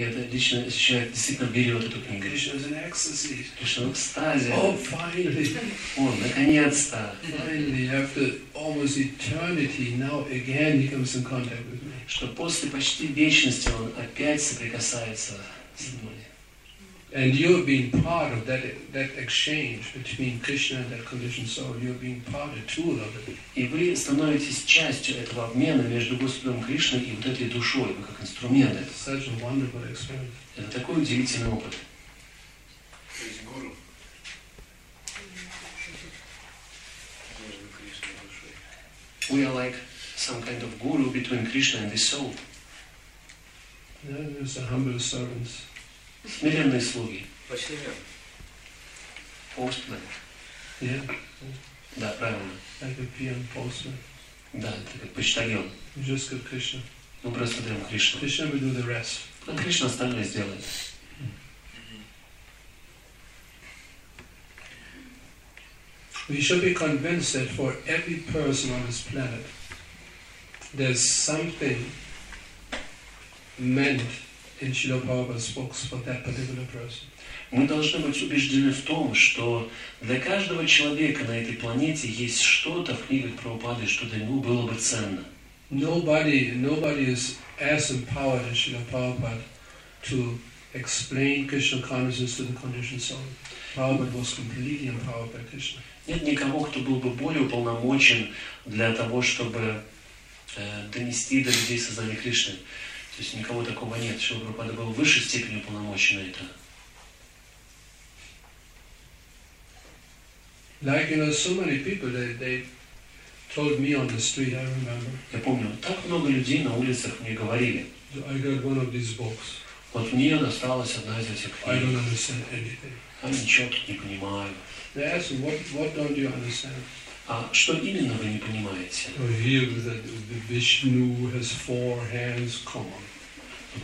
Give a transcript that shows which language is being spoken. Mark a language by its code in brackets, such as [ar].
[en] Krishna is in ecstasy. Krishna is ecstasy. Oh, finally! [ru] Oh, наконец-то! [en] Finally, after almost eternity, now again he comes in contact with me. [ru] Что после почти вечности он опять соприкасается с мной. [en] And you're being part of that exchange between Krishna and that conditioned soul. You're being part, a tool of it. [ru] И вы становитесь частью этого обмена между Господом Кришной и вот этой душой, вы как инструмент. [en] It's such a wonderful experience. [ru] Это такой удивительный опыт. [en] We are like some kind of guru between Krishna and the soul. Yeah, there's a humble servants. [ru] Смиренные слуги. Почтальон. [en] Postman. Yeah. [ru] Да, правильно. [en] Like a PM postman. [ru] Да, это как почтальон. [en] Just got Krishna. [ru] Мы просто даем Кришну. [en] Krishna will do the rest. [ru] А Кришна остальное сделает. [en] We should be convinced that for every person on this planet, there's something meant in Srila Prabhupada's books for that particular person. [ru] Мы должны быть убеждены в том, что для каждого человека на этой планете есть что-то в книгах Прабхупады, что для него было бы ценно. [en] Nobody is as empowered as Srila Prabhupada to explain Krishna consciousness to the conditioned soul. Prabhupada was completely empowered by Krishna. [ru] Нет никого, кто был бы более уполномочен для того, чтобы донести до людей сознание Кришны. То есть никого такого нет, чтобы Прабхупада был в высшей степени уполномочен на это. [en] Like, you know, so many people they told me on the street, I remember. [ru] Я помню, так много людей на улицах мне говорили. [en] I got one of these books. [ru] Вот мне досталась одна из этих книг. [en] I don't understand anything. [ru] Я ничего тут не понимаю. [en] They ask me, what don't you understand? [ru] А что именно вы не понимаете? [en] Vishnu has four hands. Come on.